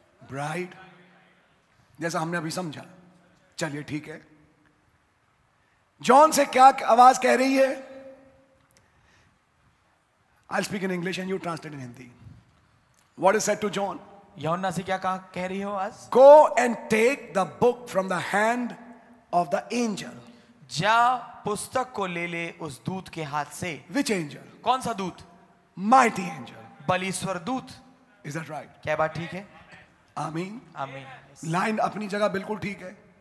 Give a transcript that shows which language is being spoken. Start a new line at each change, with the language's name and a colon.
Hindi: Bride, जैसा हमने अभी समझा, चलिए ठीक है। जॉन से क्या आवाज कह रही है?
English: I speak in English and you translate in Hindi. What is said to John?
Hindi: यहोन्ना से क्या कह रही हो आज?
English: Go and take the book from the hand of the angel.
Hindi: जा पुस्तक को ले ले उस दूत के हाथ से।
English: Which angel?
Hindi: कौन सा दूत?
English: Mighty angel.
Hindi: बलिश्वर दूत।
English: Is that right?
Hindi: क्या बात ठीक है? आमीन। आमीन। लाइन अपनी जगह बिल्कुल ठीक है।